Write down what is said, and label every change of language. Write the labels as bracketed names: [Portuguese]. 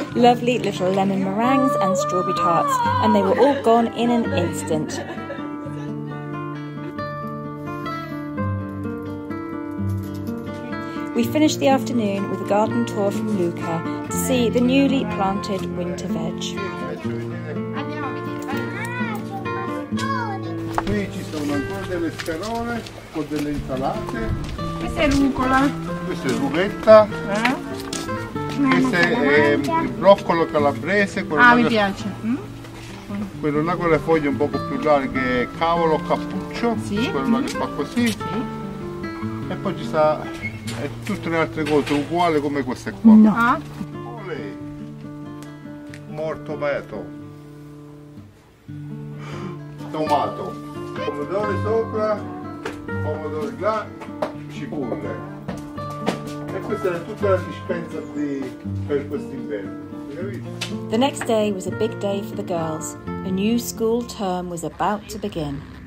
[English] Lovely little lemon meringues and strawberry tarts, and they were all gone in an instant. We finished the afternoon with a garden tour from Luca to see the newly planted winter veg. [Italian] Qui ci sono ancora delle scarole con delle insalate. Questa è rucola. Questa è rucchetta. Questo è il broccolo calabrese. Quello mi piace. Quello là con le foglie un poco più larghe, che è cavolo cappuccio. Sì. Quello là che fa così. Sì. E poi ci sta e tutte le altre cose uguali come queste qua. No. Olè. Morto meto. Tomato. Pomodori sopra, pomodori là, cipolle. E questa era tutta la dispensa di, per quest'inverno. [English] The next day was a big day for the girls. A new school term was about to begin.